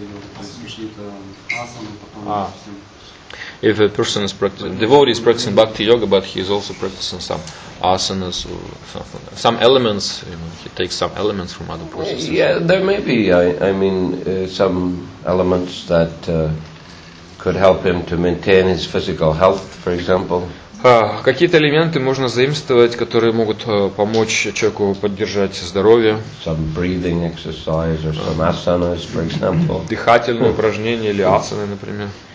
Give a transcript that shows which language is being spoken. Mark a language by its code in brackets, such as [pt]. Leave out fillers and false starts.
[ru] йога, то есть какие-то асаны, потом допустим. [en] If a person is devotee is practicing bhakti yoga, but he is also practicing some asanas, some elements, you know, he takes some elements from other processes. Yeah, there may be, I mean, some elements that could help him to maintain his physical health, for example. [ru] Какие-то элементы можно заимствовать, которые могут помочь человеку поддержать здоровье. [en] Some breathing exercise or some asanas, for example. [ru] Дыхательные упражнения или асаны, например.